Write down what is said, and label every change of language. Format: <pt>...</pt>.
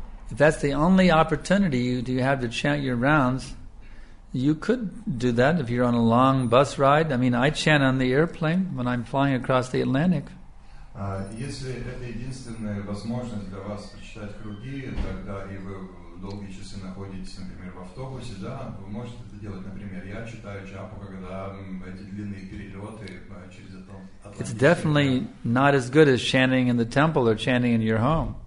<en>If that's the only opportunity you have to chant your rounds, you could do that if you're on a long bus ride. I mean, I chant on the airplane when I'm flying across the Atlantic.</en> <ru>Если это единственная возможность для вас прочитать круги, тогда и вы долгие часы находитесь, например, в автобусе, да, вы можете это делать. Например, я читаю джапу, когда эти длинные перелеты через Атлантику.</ru> <en>It's definitely not as good as chanting in the temple or chanting in your home.</en>